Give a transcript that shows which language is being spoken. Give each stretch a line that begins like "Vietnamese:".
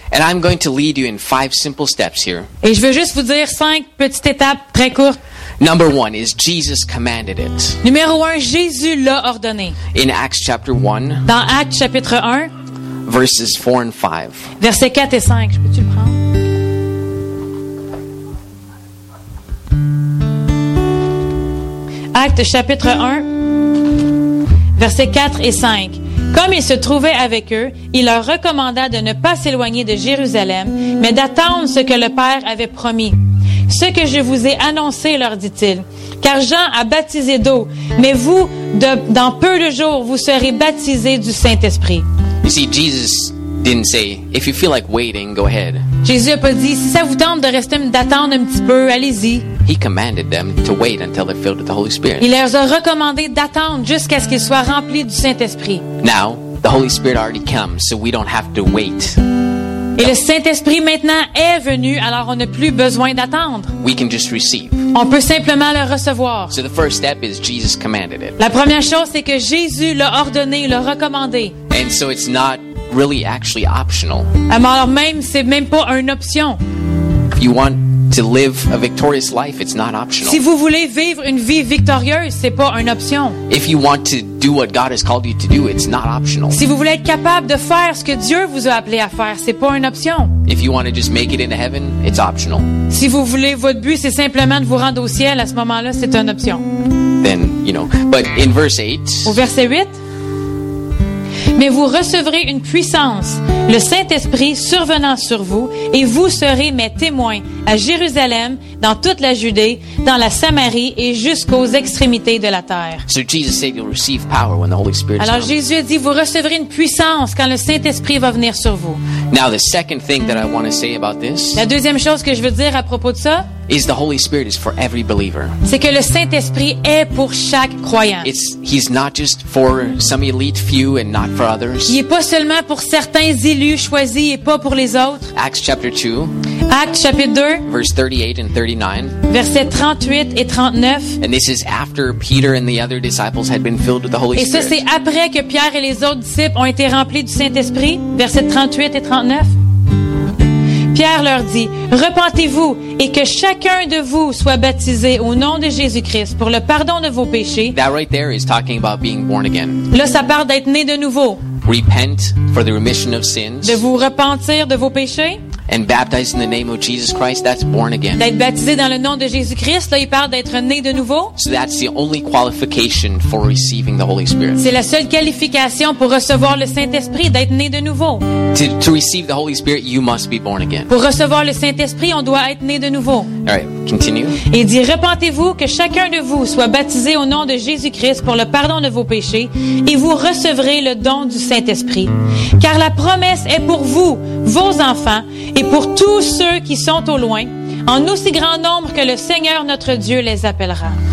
English: And I'm going to lead you in five simple steps here.
French: Et je veux juste vous dire cinq petites étapes très courtes.
English: Number one is Jesus commanded it.
French: Numéro un, Jésus l'a ordonné.
English: In Acts chapter 1.
French: Dans Actes chapitre 1.
English: Verses 4 and 5.
French: Versets 4 et 5. Peux-tu le prendre? Actes chapitre 1. Versets 4 et 5. Comme il se trouvait avec eux, il leur recommanda de ne pas s'éloigner de Jérusalem, mais d'attendre ce que le Père avait promis. « Ce que je vous ai annoncé, leur dit-il, car Jean a baptisé d'eau, mais vous, dans peu de jours, vous serez baptisés du Saint-Esprit. »
English: Jesus didn't say, « If you feel like waiting, go ahead. »
French: Jésus n'a pas dit, « Si ça vous tente de rester, d'attendre un petit peu, allez-y. »
English: He commanded them to wait until they're filled with the Holy Spirit.
French: Il leur a recommandé d'attendre jusqu'à ce qu'ils soient remplis du Saint-Esprit.
English: Now, the Holy Spirit already comes, so we don't have to wait.
French: Et le Saint-Esprit maintenant est venu, alors on n'a plus besoin d'attendre.
English: We can just receive.
French: On peut simplement le recevoir.
English: So the first step is Jesus commanded it.
French: La première chose, c'est que Jésus l'a ordonné, l'a recommandé.
English: And so it's not really actually optional.
French: Alors même, c'est même pas une option.
English: If you want to live a victorious life, it's not optional.
French: Si vous voulez vivre une vie victorieuse, c'est pas une option.
English: If you want to do what God has called you to do, it's not optional.
French: Si vous voulez être capable de faire ce que Dieu vous a appelé à faire, c'est pas une option.
English: If you want to just make it into heaven, it's optional.
French: Si vous voulez, votre but c'est simplement de vous rendre au ciel, à ce moment-là, c'est une option.
English: Then, you know, but in verse 8.
French: Au verset 8. Mais vous recevrez une puissance, le Saint-Esprit survenant sur vous, et vous serez mes témoins à Jérusalem, dans toute la Judée, dans la Samarie et jusqu'aux extrémités de la terre.
English: So Jesus said you'll receive power when the Holy Spirit comes.
French: Alors Jésus dit, vous recevrez une puissance quand le Saint-Esprit va venir sur vous.
English: Now the second thing that I want to say about this.
French: La deuxième chose que je veux dire à propos de ça.
English: Is the Holy Spirit is for every believer.
French: C'est que le Saint-Esprit est pour chaque croyant.
English: He's not just for some elite few and not for others.
French: Il est pas seulement pour certains élus choisis et pas pour les autres.
English: Acts chapter 2.
French: Acte chapitre 2.
English: Verse 38 and 39.
French: Verset 38 et 39.
English: And this is after Peter and the other disciples had been filled with the Holy Spirit.
French: Et ça c'est après que Pierre et les autres disciples ont été remplis du Saint-Esprit. Verset 38 et 39. Pierre leur dit, « Repentez-vous et que chacun de vous soit baptisé au nom de Jésus-Christ pour le pardon de vos péchés. »
English: That right there is talking about being born again.
French: Là, ça parle d'être né de nouveau.
English: Repent for the remission of sins.
French: De vous repentir de vos péchés.
English: And baptized in the name of Jesus Christ, that's born again.
French: D'être baptisé dans le nom de Jésus-Christ, là, il parle d'être né de nouveau.
English: So that's the only qualification for receiving the Holy Spirit.
French: C'est la seule qualification pour recevoir le Saint-Esprit, d'être né de nouveau.
English: To receive the Holy Spirit, you must be born again.
French: Pour recevoir le Saint-Esprit, on doit être né de nouveau.
English: All right, continue.
French: Et dit, repentez-vous que chacun de vous soit baptisé au nom de Jésus-Christ pour le pardon de vos péchés, et vous recevrez le don du Saint-Esprit. Car la promesse est pour vous, vos enfants, et pour tous ceux qui sont au loin, en aussi grand nombre que le Seigneur notre Dieu les appellera.